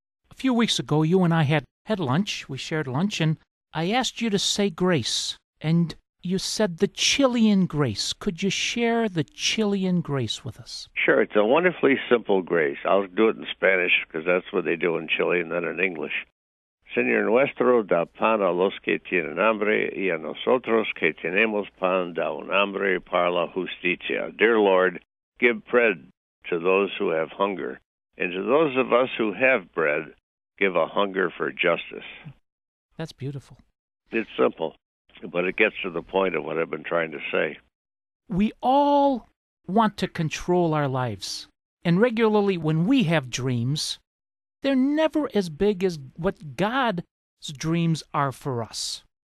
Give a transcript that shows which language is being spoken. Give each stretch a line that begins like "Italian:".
English: A few weeks ago, you and I had lunch. We shared lunch, and I asked you to say grace. And you said the Chilean grace. Could you share the Chilean grace with us? Sure. It's a wonderfully simple grace. I'll do it in Spanish because that's what they do in Chile, and then in English.
Spanish: Señor nuestro, da pan a los que tienen hambre, y a nosotros que tenemos pan, da un hambre para la justicia.
English: Dear Lord, give bread to those who have hunger, and to those of us who have bread, give a hunger for justice. That's beautiful. It's simple, but it gets to the point of what I've been trying to say. We all want to control our lives, and regularly when we have dreams, they're never as big as what God's dreams are for us.